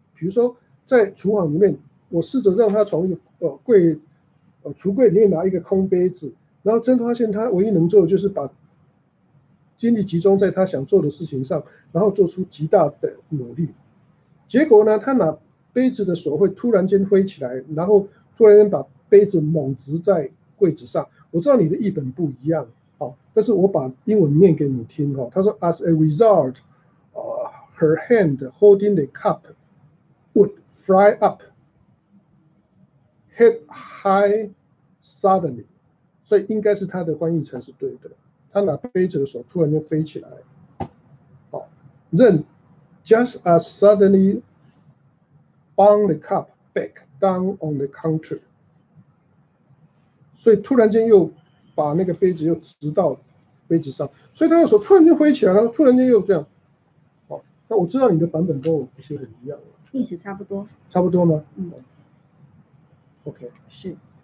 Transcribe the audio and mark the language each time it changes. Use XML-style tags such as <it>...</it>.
<zh>比如说在厨房里面，我试着让他从橱柜里面拿一个空杯子，然后真发现他唯一能做的就是把精力集中在他想做的事情上，然后做出极大的努力。结果呢，他拿杯子的手会突然间挥起来，然后突然间把杯子猛直在柜子上。我知道你的译本不一样，但是我把英文念给你听，他说</zh> <en>As a result, her hand holding the cup would fly up, head high suddenly.</en> <zh>所以应该是他的翻译才是对的，他拿杯子的手突然就飞起来。</zh> <en>Then, just as suddenly, bang the cup back down on the counter.</en> <zh>所以突然间又把那个杯子又直到杯子上，所以他的手突然间挥起来，然后突然间又这样。那我知道你的版本跟我不是很一样，意思差不多。差不多吗？嗯。 OK。是。</zh>